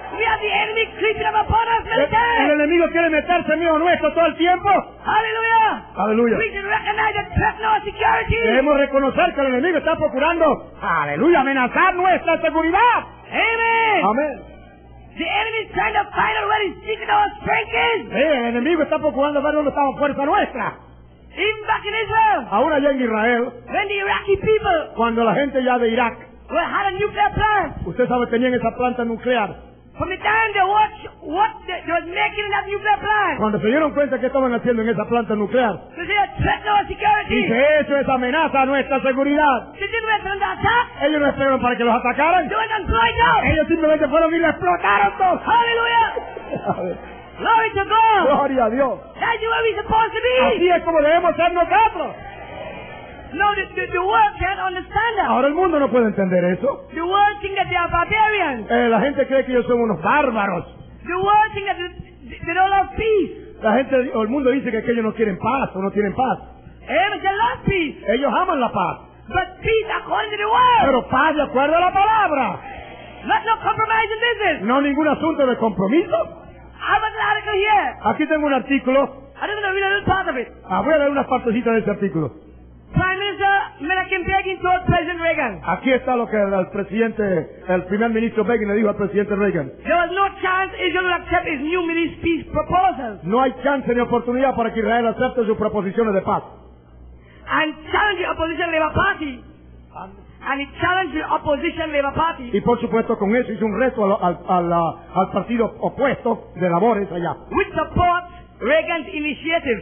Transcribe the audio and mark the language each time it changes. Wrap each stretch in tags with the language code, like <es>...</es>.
<en>We have the enemy creeping up upon us every time.</en> <es>El enemigo quiere meterse mío nuestro todo el tiempo. Hallelujah. Hallelujah.</es> <en>We should recognize the threat to our security.</en> <es>Debemos reconocer que el enemigo está procurando. Hallelujah. Amenazar nuestra seguridad. Amen. Amen.</es> <en>The enemy is trying to find out where his secret of our strength is.</en> <es>Sí, el enemigo está procurando ver dónde está la fuerza nuestra.</es> <en>Even back in Israel.</en> <es>Ahora allá en Israel.</es> <en>When the Iraqi people.</en> <es>Cuando la gente ya de Irak.</es> <en>Well, had a nuclear plant.</en> <es>Usted sabe, tenían esa planta nuclear.</es> <en>From the time they watched what they were making in that nuclear plant.</en> <es>Cuando se dieron cuenta que estaban haciendo en esa planta nuclear.</es> <en>They said, threat to our security.</en> <es>Dice, eso es amenaza a nuestra seguridad.</es> <en>They didn't wait for them to attack.</en> <es>Ellos no esperaron para que los atacaran.</es> <en>They went and blew it up.</en> <es>Ellos simplemente fueron y lo explotaron todos.</es> <en>Hallelujah. Glory to God.</en> <es>Gloria a Dios.</es> <en>That's where we're supposed to be.</en> <es>Así es como debemos ser nosotros.</es> <en>No, the world can't understand that.</en> <es>Ahora el mundo no puede entender eso.</es> <en>The world thinks that they are barbarians.</en> <es>La gente cree que ellos son unos bárbaros.</es> <en>The world thinks that they don't have peace.</en> <es>La gente, el mundo dice que ellos no quieren paz o no tienen paz.</es> <en>They love peace.</en> <es>Ellos aman la paz.</es> <en>But peace according to the word.</en> <es>Pero paz de acuerdo a la palabra.</es> <en>Let no compromise in business.</en> <es>No ningún asunto de compromiso.</es> <en>I have an article here.</en> <es>Aquí tengo un artículo.</es> <en>I don't know, read a little part of it.</en> <es>Voy a leer unas partecitas de ese artículo.</es> <en>Prime Minister Menachem Begin told President Reagan.</en> <es>Aquí está lo que el presidente, el primer ministro Begin le dijo al presidente Reagan.</es> <en>There was no chance Israel would accept his new Middle East peace proposals.</en> <es>No hay chance ni oportunidad para que Israel acepte sus proposiciones de paz.</es> <en>And challenged the opposition Labour Party. And he challenged the opposition Labour Party.</en> <es>Y por supuesto con eso hizo un reto al partido opuesto de labores allá.</es> <en>Which supports Reagan's initiative.</en>